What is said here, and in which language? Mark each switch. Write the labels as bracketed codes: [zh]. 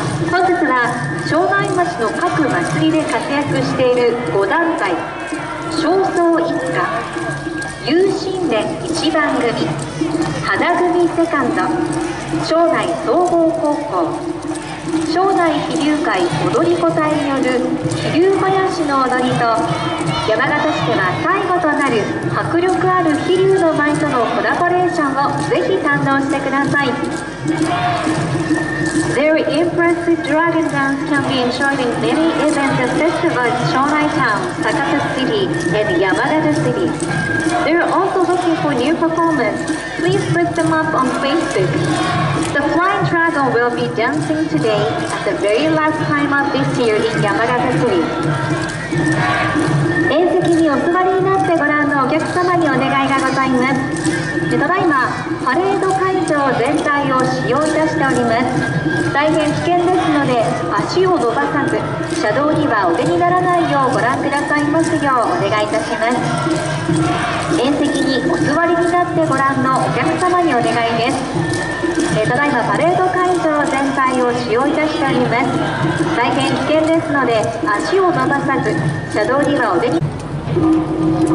[ja] 本日は庄内町の各祭りで活躍している5団体少僧一家、有心連一番組、花組セカンド、庄内総合高校、庄内飛竜会踊り子隊による飛竜囃子の踊りと、山形市では最後となる迫力ある飛竜の舞とのコラボレーションをぜひ堪能してください。 [en] Very impressive dragon dance can be enjoyed in many events and festivals in Shonai Town, Sakata City, and Yamagata City. They are also looking for new performers. Please look them up on Facebook. The Flying Dragon will be dancing today at the very last time of this year in Yamagata City. [ja] 宴席にお座りになってご覧のお客様にお願いがございます。ただいまパレード会場全体を使用いたしております大変危険ですので足を伸ばさず車道にはお出にならないようご覧くださいますようお願いいたします宴席にお座りになってご覧のお客様にお願いですただいまパレード会場全体を使用いたしております大変危険ですので足を伸ばさず車道にはお出に